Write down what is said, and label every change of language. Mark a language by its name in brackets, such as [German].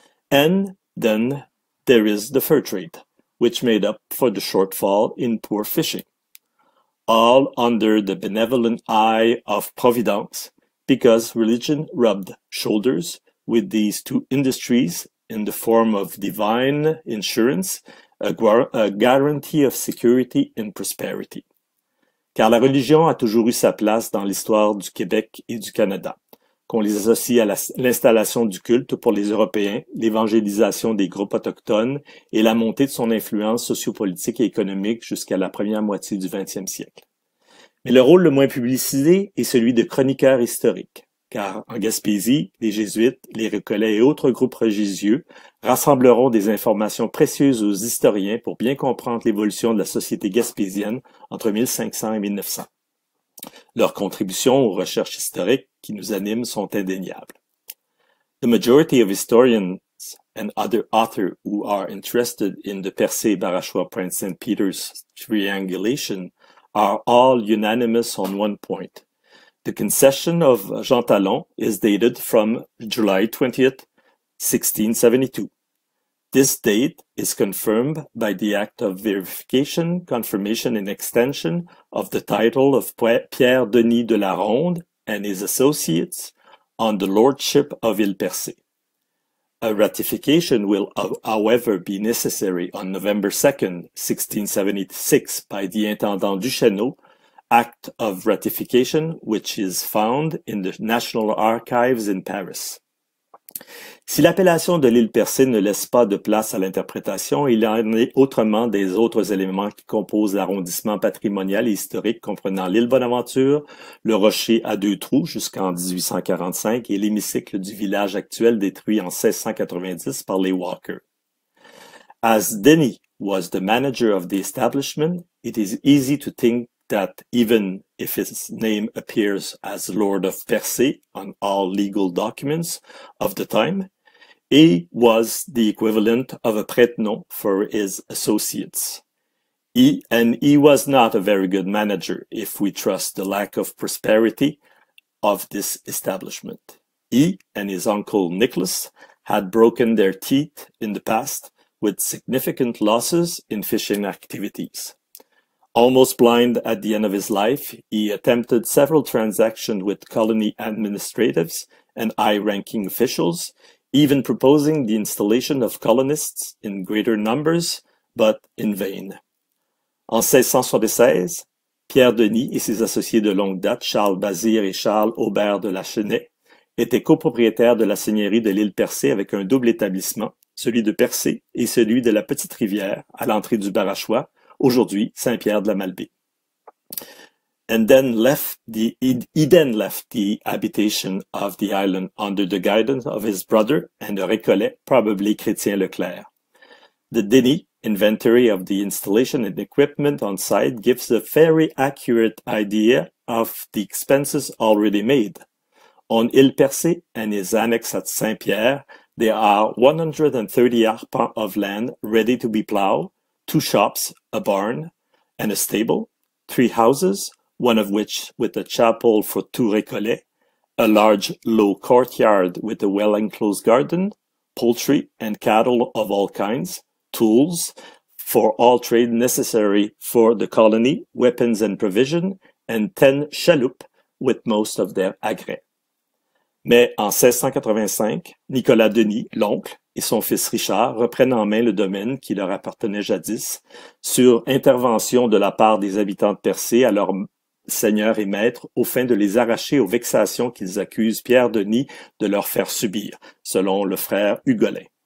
[English] And then there is the fur trade, which made up for the shortfall in poor fishing, all under the benevolent eye of Providence, because religion rubbed shoulders with these two industries in the form of divine insurance, a guarantee of security and prosperity. [French] Car la religion a toujours eu sa place dans l'histoire du Québec et du Canada. Qu'on les associe à l'installation du culte pour les Européens, l'évangélisation des groupes autochtones et la montée de son influence sociopolitique et économique jusqu'à la première moitié du 20e siècle. Mais le rôle le moins publicisé est celui de chroniqueur historique. Car en Gaspésie, les Jésuites, les Récollets et autres groupes religieux rassembleront des informations précieuses aux historiens pour bien comprendre l'évolution de la société gaspésienne entre 1500 et 1900. Leurs contributions aux recherches historiques qui nous animent sont indéniables. [English] The majority of historians and other authors who are interested in the Percé-Barachois Prince St. Peter's triangulation are all unanimous on one point. The concession of Jean Talon is dated from July 20th, 1672. This date is confirmed by the act of verification, confirmation and extension of the title of Pierre-Denis de la Ronde and his associates on the lordship of Île Percé. A ratification will, however, be necessary on November 2nd, 1676 by the Intendant Duchesneau, act of ratification which is found in the National Archives in Paris. [French] Si l'appellation de l'île Percée ne laisse pas de place à l'interprétation, il en est autrement des autres éléments qui composent l'arrondissement patrimonial et historique comprenant l'île Bonaventure, le rocher à deux trous jusqu'en 1845 et l'hémicycle du village actuel détruit en 1690 par les Walker. [English] As Denis was the manager of the establishment, it is easy to think that even if his name appears as Lord of Percé on all legal documents of the time, he was the equivalent of a prête-nom for his associates. He was not a very good manager, if we trust the lack of prosperity of this establishment. He and his uncle Nicholas had broken their teeth in the past with significant losses in fishing activities. Almost blind at the end of his life, he attempted several transactions with colony administratives and high-ranking officials, even proposing the installation of colonists in greater numbers, but in vain. [French] En 1676, Pierre-Denis et ses associés de longue date, Charles Bazire et Charles Aubert de Lachenay, étaient copropriétaires de la seigneurie de l'île Percé avec un double établissement, celui de Percé et celui de la Petite Rivière à l'entrée du Barachois, aujourd'hui Saint-Pierre-de-la-Malbaie. [English] He then left the habitation of the island under the guidance of his brother and a Récollet, probably Chrétien Leclerc. The Denis inventory of the installation and equipment on site gives a very accurate idea of the expenses already made. On Île Percé and his annex at Saint-Pierre, there are 130 arpents of land ready to be plowed, two shops, a barn, and a stable, three houses, one of which with a chapel for two Récollets, a large low courtyard with a well-enclosed garden, poultry and cattle of all kinds, tools for all trade necessary for the colony, weapons and provision, and 10 chaloupes with most of their agrès. [French] Mais en 1685, Nicolas Denis, l'oncle, et son fils Richard reprennent en main le domaine qui leur appartenait jadis, sur intervention de la part des habitants de Percé à leur seigneur et maître, au fin de les arracher aux vexations qu'ils accusent Pierre-Denis de leur faire subir, selon le frère Hugolin.